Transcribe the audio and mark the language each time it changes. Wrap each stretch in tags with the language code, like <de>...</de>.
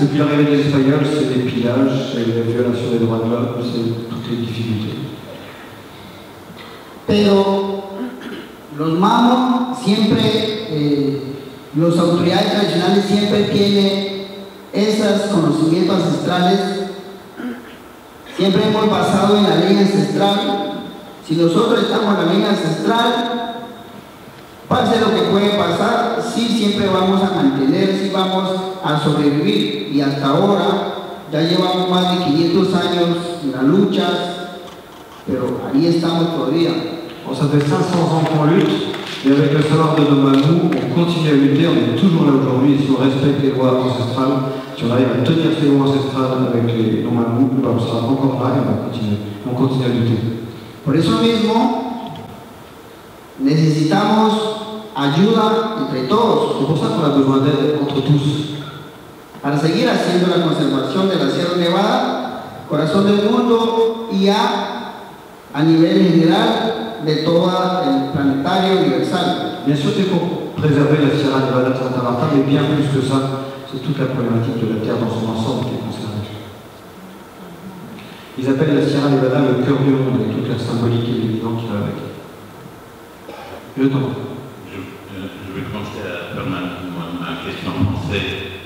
<fr>Depuis l'arrivée des Espagnols, c'est des pillages, c'est la violation des droits de l'homme, c'est toutes les difficultés.</fr> <es>Pero los mamos siempre, las autoridades tradicionales siempre tienen esos conocimientos ancestrales. Siempre hemos basado en la ley ancestral. Si nosotros estamos en la ley ancestral, pase lo que puede pasar, sí siempre vamos a mantener, sí vamos a sobrevivir. Y hasta ahora ya llevamos más de 500 años en las luchas, pero ahí estamos todavía.</es> <fr>Bon, ça fait 500 ans qu'on lutte, et avec le savoir de nos mamous, on continue à lutter, on est toujours là aujourd'hui, et si on respecte les lois ancestrales, si on arrive à tenir ces lois ancestrales avec nos mamous, ben on sera encore là et on continue à lutter.</fr> <es>Por eso mismo, necesitamos ayuda entre todos.</es> <fr>C'est pour ça qu'on a besoin d'aide entre tous.</fr> <es>Para seguir haciendo la conservación de la Sierra Nevada, corazón del mundo, y a nivel general, de todo el planetario universal.</es> <fr>Bien sûr, c'est pour préserver la Sierra Nevada de Santa Marta, mais bien plus que ça, c'est toute la problématique de la Terre dans son ensemble qui est concernée. Ils appellent la Sierra Nevada le cœur du monde et toute la symbolique et les vivants qui va avec. Je vais commencer à faire ma question en français.</fr>